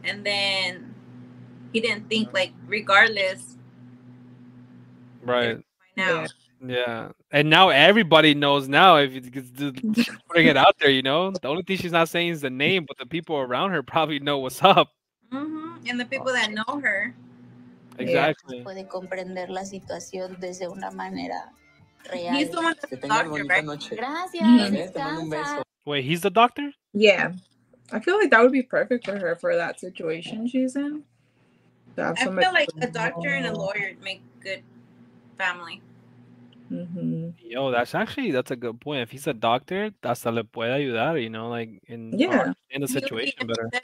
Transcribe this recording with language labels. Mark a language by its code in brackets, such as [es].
[en] And then he didn't think, like, regardless. Right. Now. Yeah. And now everybody knows now if she's putting it out there, you know? The only thing she's not saying is the name, but the people around her probably know what's up. Mm-hmm. And the people that know her. Exactly. [es] Puede comprender la situación desde una manera real. [en] He's the one that's the doctor, right? [es] Gracias. Mm-hmm. [en] Wait, he's the doctor? Yeah. I feel like that would be perfect for her for that situation she's in. I feel like a doctor and a lawyer make good family. Mm-hmm. Yo, that's a good point. If he's a doctor, [es] hasta le puede ayudar, [en] you know, like in the situation better.